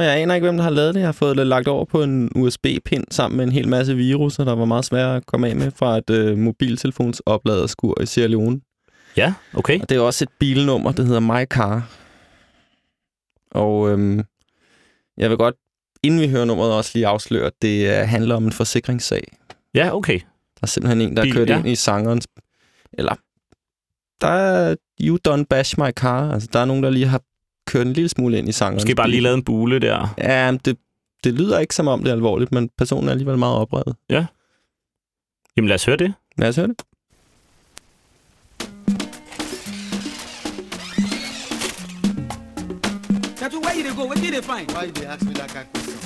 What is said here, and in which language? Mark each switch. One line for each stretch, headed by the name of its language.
Danish: Jeg aner ikke, hvem der har lavet det. Jeg har fået det lagt over på en USB-pind sammen med en hel masse viruser, der var meget svære at komme af med fra et mobiltelefonsopladerskur i Sierra Leone. Ja, okay. Og det er også et bilnummer, det hedder My Car. Og jeg vil godt, inden vi hører nummeret, også lige afsløre, at det handler om en forsikringssag. Ja, okay. Der er simpelthen en, der har kørt ind i sangerens... Eller... Der er
English: you don't bash my car.
Danish: Altså, der er nogen, der lige har kørt en lille smule ind i sangen. Skal bare lige lavet en bule der? Ja, det lyder ikke som om det er alvorligt, men personen er alligevel meget oprevet. Ja. Jamen, lad os høre det. Lad os høre det.
English: Where did they go? Where did they find? Why did they ask me that kind of question?